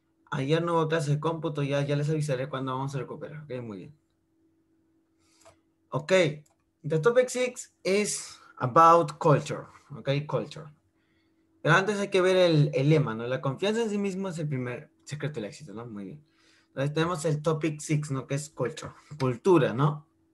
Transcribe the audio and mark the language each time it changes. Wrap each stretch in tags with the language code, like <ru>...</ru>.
<es>Ayer no hubo clase de cómputo, ya les avisaré cuando vamos a recuperar, okay, muy bien.</es> <en>Okay, the topic 6 is about culture, okay, culture.</en> <es>Pero antes hay que ver el lema, ¿no? La confianza en sí mismo es el primer secreto del éxito, ¿no? Muy bien. Entonces tenemos el topic 6, ¿no? Que es culture, cultura, ¿no?</es>